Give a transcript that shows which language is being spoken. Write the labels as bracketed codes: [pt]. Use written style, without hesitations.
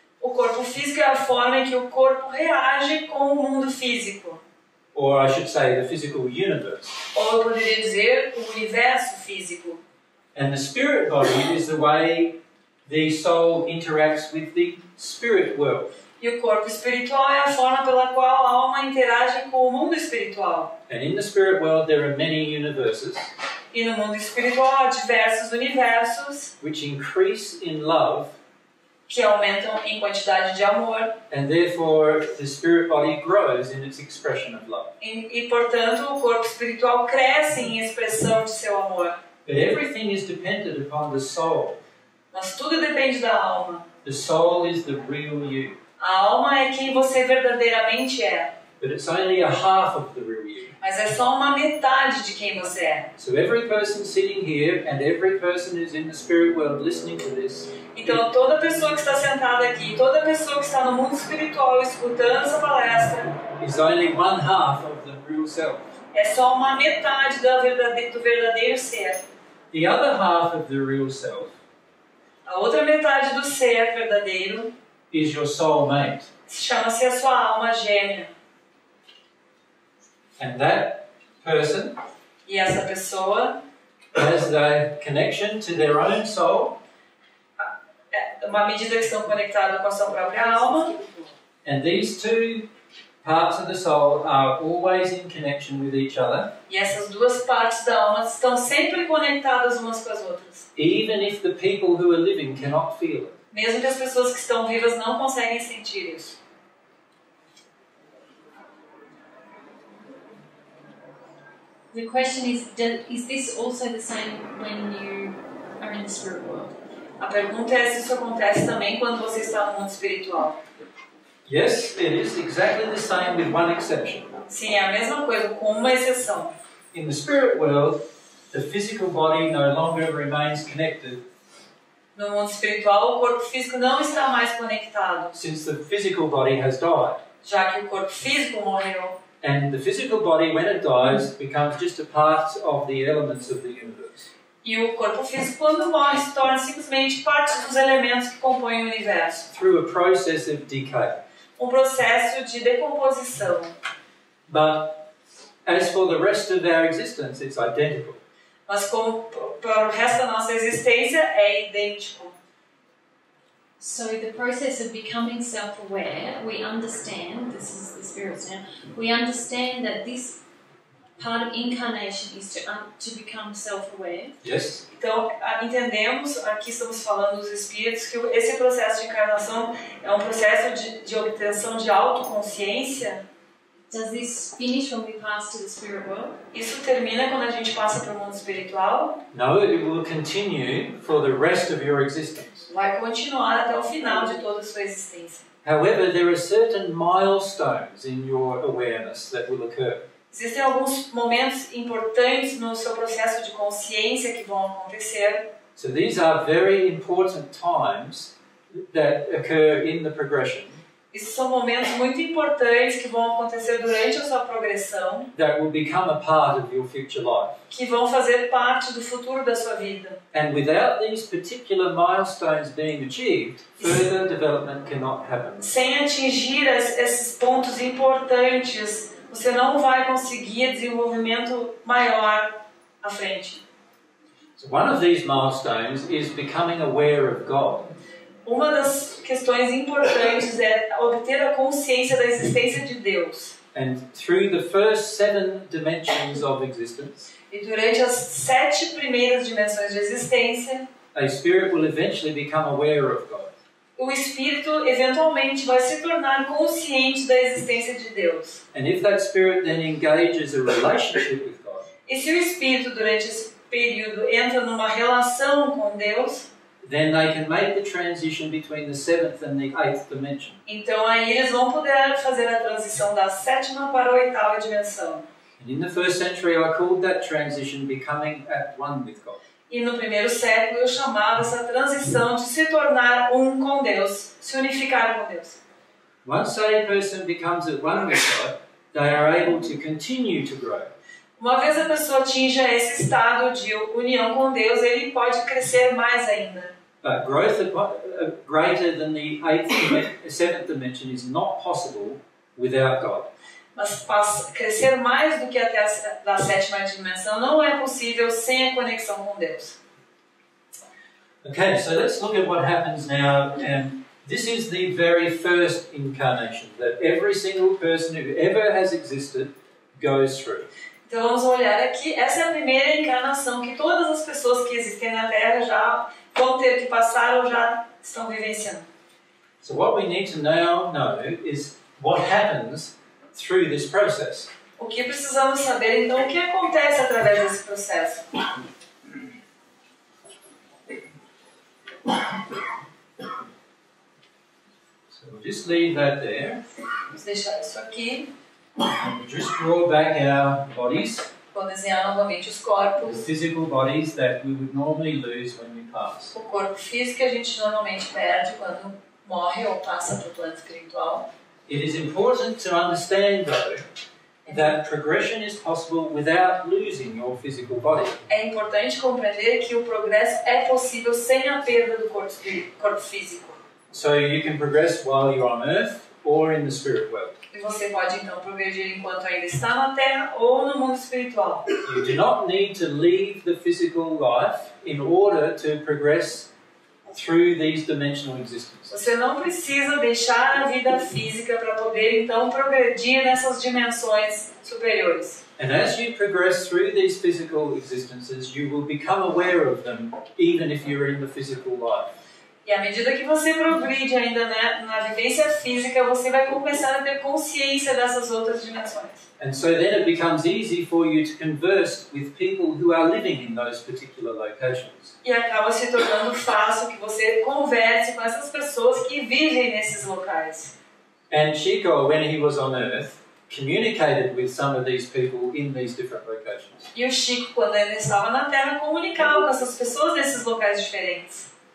[pt] O corpo físico é a forma em que o corpo reage com o mundo físico. [en] Or I should say the physical universe. [pt] Ou eu poderia dizer o universo físico. [en] And the spirit body is the way the soul interacts with the spirit world. [pt] E o corpo espiritual é a forma pela qual a alma interage com o mundo espiritual. [en] And in the spirit world there are many universes. [pt] E no mundo espiritual há diversos universos. [en] Which increase in love. [pt] Que aumentam em quantidade de amor. [en] And therefore the spirit body grows in its expression of love. [pt] E portanto o corpo espiritual cresce em expressão de seu amor. [en] But everything is dependent upon the soul. [pt] Mas tudo depende da alma. [en] The soul is the real you. [pt] A alma é quem você verdadeiramente é. [en] But it's only a half of the real you. [pt] Mas é só uma metade de quem você é. [en] So every person sitting here and every person is in the spirit world listening to this. [pt] Então toda pessoa que está sentada aqui, toda pessoa que está no mundo espiritual escutando essa palestra, [en] is only one half of the real self. [pt] é só uma metade da do verdadeiro ser. [en] The other half of the real self. [pt] A outra metade do ser verdadeiro [en] is your soul mate. [pt] Chama-se a sua alma gêmea. [en] And that person, [pt] e essa pessoa [en] has the connection to their own soul. [pt] Uma medida que estão conectados com a sua própria alma. [en] And these two parts of the soul are always in connection with each other. [pt] E essas duas partes da alma estão sempre conectadas umas com as outras. [en] Even if the people who are living cannot feel it. [pt] Mesmo que as pessoas que estão vivas não conseguem sentir isso. [en] The question is, is this also the same when you are in the spirit world? [pt] A pergunta é se isso acontece também quando você está no mundo espiritual. [en] Yes, it is exactly the same with one exception. [pt] Sim, é a mesma coisa, com uma exceção. [en] In the spirit world, the physical body no longer remains connected. [pt] No mundo espiritual, o corpo físico não está mais conectado. [en] Since the physical body has died. [pt] Já que o corpo físico morreu. [en] And the physical body, when it dies, becomes just a part of the elements of the universe. [pt] E o corpo físico, quando morre, se torna simplesmente parte dos elementos que compõem o universo. [en] Through a process of decay. [pt] Um processo de decomposição. [en] But as for the rest of our existence, it's identical. [pt] Mas como para o resto da nossa existência, é idêntico. [en] So in the process of becoming self-aware, we understand, this is the spirit's now, we understand that this part of incarnation is to become self-aware. Yes. [pt] Então, entendemos, aqui estamos falando dos espíritos, que esse processo de encarnação é um processo de obtenção de autoconsciência. [en] Does this finish when we pass to the spirit world? [pt] Isso termina quando a gente passa para o mundo espiritual? [en] No, it will continue for the rest of your existence. [pt] Vai continuar até o final de toda a sua existência. [en] However, there are certain milestones in your awareness that will occur. [pt] Existem alguns momentos importantes no seu processo de consciência que vão acontecer. [en] So these are very important times that occur in the progression. [pt] Esses são momentos muito importantes que vão acontecer durante a sua progressão. [en] That will become a part of your future life. [pt] Que vão fazer parte do futuro da sua vida. [en] And without these particular milestones being achieved, further development cannot happen. [pt] Sem atingir esses pontos importantes, você não vai conseguir desenvolvimento maior à frente. [en] So one of these milestones is becoming aware of God. [pt] Uma das questões importantes é obter a consciência da existência de Deus. [en] And through the first seven dimensions of existence, [pt] e durante as sete primeiras dimensões de existência, [en] a spirit will eventually become aware of God. [pt] O espírito eventualmente vai se tornar consciente da existência de Deus. [en] And if that spirit then engages a relationship with God, [pt] e se o espírito durante esse período entra numa relação com Deus, [en] then they can make the transition between the seventh and the eighth dimension. [pt] Então aí eles vão poder fazer a transição da sétima para a oitava dimensão. [en] And in the first century, I called that transition becoming at one with God. [pt] E no primeiro século eu chamava essa transição de se tornar um com Deus, se unificar com Deus. [en] Once a person becomes at one with God, they are able to continue to grow. [pt] Uma vez a pessoa atinja esse estado de união com Deus, ele pode crescer mais ainda. [en] But growth greater than the seventh dimension is not possible without God. [pt] Mas crescer mais do que até a sétima dimensão não é possível sem a conexão com Deus. [en] Okay, so let's look at what happens now. And this is the very first incarnation that every single person who ever has existed goes through. [pt] Então vamos olhar aqui, essa é a primeira encarnação que todas as pessoas que existem na Terra já vão ter que passar ou já estão vivenciando. [en] So what we need to now know is what happens through this process. [pt] O que precisamos saber então, o que acontece através desse processo? [en] So we'll just leave that there. [pt] Vamos deixar isso aqui. [en] And just draw back our bodies. [pt] Vou desenhar novamente os corpos. [en] The physical bodies that we would normally lose when we pass. [pt] O corpo físico que a gente normalmente perde quando morre ou passa para o plano espiritual. [en] It is important to understand, though, that progression is possible without losing your physical body. [pt] É importante compreender que o progresso é possível sem a perda do corpo físico. [en] So you can progress while you're on earth or in the spirit world. [pt] E você pode então progredir enquanto ainda está na terra ou no mundo espiritual. [en] You do not need to leave the physical life in order to progress through these dimensional existences. [pt] Você não precisa deixar a vida física para poder então progredir nessas dimensões superiores. [en] And as you progress through these physical existences, you will become aware of them even if you're in the physical life. [pt] E à medida que você progride ainda na vivência física, você vai começar a ter consciência dessas outras dimensões. [en] And so then it becomes easy for you to converse with people who are living in those particular locations. [pt] E acaba se tornando fácil que você converse com essas pessoas que vivem nesses locais. [en] And Chico, when he was on Earth, communicated with some of these people in these different locations. [pt] E o Chico, quando ele estava na Terra, comunicava com essas pessoas nesses locais diferentes.